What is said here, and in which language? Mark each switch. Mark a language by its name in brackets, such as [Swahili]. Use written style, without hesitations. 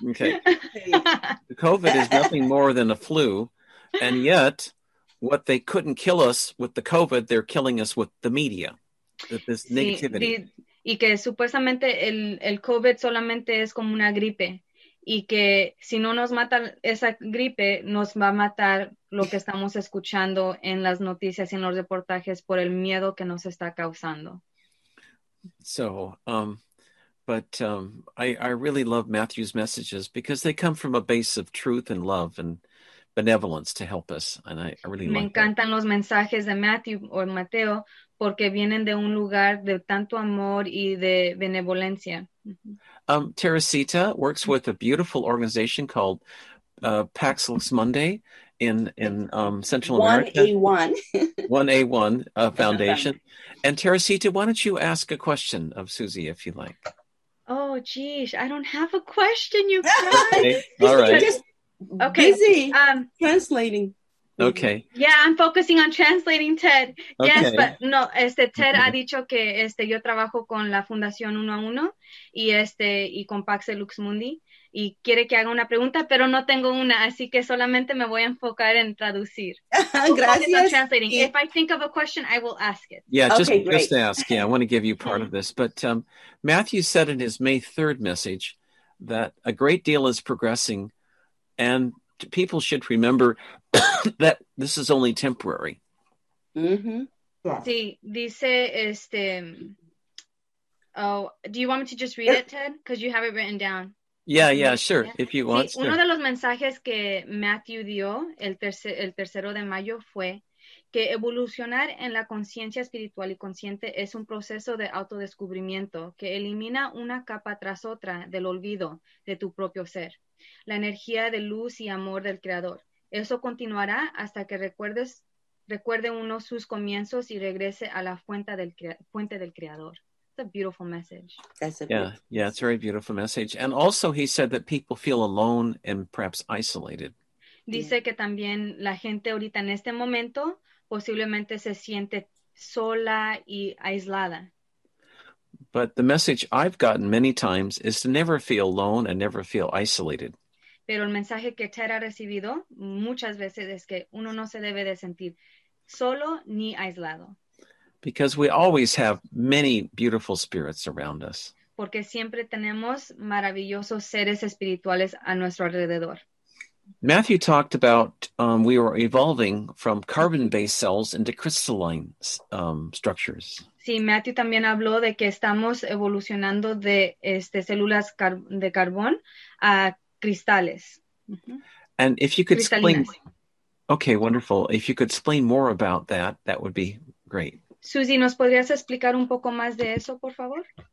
[English] COVID is nothing more than a flu, and yet what they couldn't kill us with the COVID, they're killing us with the media. This negativity. [Spanish] Y que supuestamente el COVID solamente es como una gripe y que si no nos mata esa gripe, nos va a matar lo que estamos escuchando en las noticias y en los reportajes por el miedo que nos está causando. [English] So, I really love Matthew's messages because they come from a base of truth and love and benevolence to help us. And I really [Spanish] me [English] like [Spanish] encantan Los mensajes de Matthew o Mateo porque vienen de un lugar de tanto amor y de benevolencia. [English] Teresita works with a beautiful organization called Pax Lux Mundi in Central America. 1A1. 1A1 Foundation. And Teresita, why don't you ask a question of Susie if you like. Oh, geez, I don't have a question, you guys. Okay. All right. Okay. Busy translating. Okay. Yeah, I'm focusing on translating, Ted. Okay. Yes, but no, [Spanish] Ted mm-hmm. ha dicho que yo trabajo con la Fundación 1A1 y y con Pax Lux Mundi y quiere que haga una pregunta, pero no tengo una, así que solamente me voy a enfocar en traducir. Gracias. [English] On translating. Yeah. If I think of a question, I will ask it. Yeah, just ask. Yeah, I want to give you part of this. But Matthew said in his May 3rd message that a great deal is progressing and people should remember that this is only temporary. Mm-hmm. Yeah. [Spanish] Sí, dice [English] do you want me to just read it, Ted? Because you have it written down. Yeah, sure, yeah. If you want. [Spanish] Sí, uno de los mensajes que Matthew dio el tercero de mayo fue que evolucionar en la conciencia espiritual y consciente es un proceso de autodescubrimiento que elimina una capa tras otra del olvido de tu propio ser, la energía de luz y amor del Creador. Eso continuará hasta que recuerde uno sus comienzos y regrese a la fuente del Creador. [English] It's a beautiful message. Yeah, it's a very beautiful message. And also he said that people feel alone and perhaps isolated. [Spanish] Dice que también la gente ahorita en este momento posiblemente se siente sola y aislada. [English] But the message I've gotten many times is to never feel alone and never feel isolated. [Spanish] Pero el mensaje que Ted ha recibido muchas veces es que uno no se debe de sentir solo ni aislado. [English] Because we always have many beautiful spirits around us. [Spanish] Porque siempre tenemos maravillosos seres espirituales a nuestro alrededor. [English] Matthew talked about we were evolving from carbon-based cells into crystalline structures. [Spanish] Sí, Matthew también habló de que estamos evolucionando de células de carbón a cristales. [English] Mm-hmm. And if you could explain, okay, wonderful. If you could explain more about that, that would be great. [Spanish] Susie, ¿nos podrías explicar un poco más de eso, por favor?